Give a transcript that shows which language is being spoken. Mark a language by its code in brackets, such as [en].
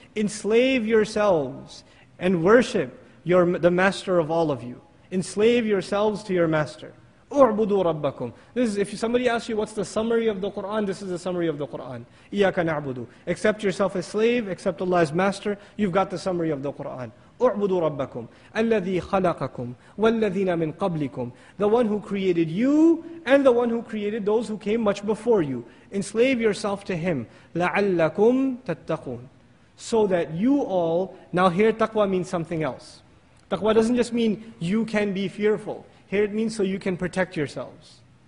[en] Enslave yourselves and worship the master of all of you. Enslave yourselves to your master. [ar] اعبدوا ربكم. [en] This is, if somebody asks you what's the summary of the Quran, this is the summary of the Quran. [ar] إياك نعبدوا. [en] Accept yourself as slave, accept Allah as master, you've got the summary of the Quran. [ar] اعبدوا ربكم. الذي خلقكم والذين من قبلكم. [en] The one who created you and the one who created those who came much before you. Enslave yourself to him. [ar] لعلكم تتقون. [en] So that you all, now here taqwa means something else. Taqwa doesn't just mean you can be fearful. Here it means so you can protect yourselves.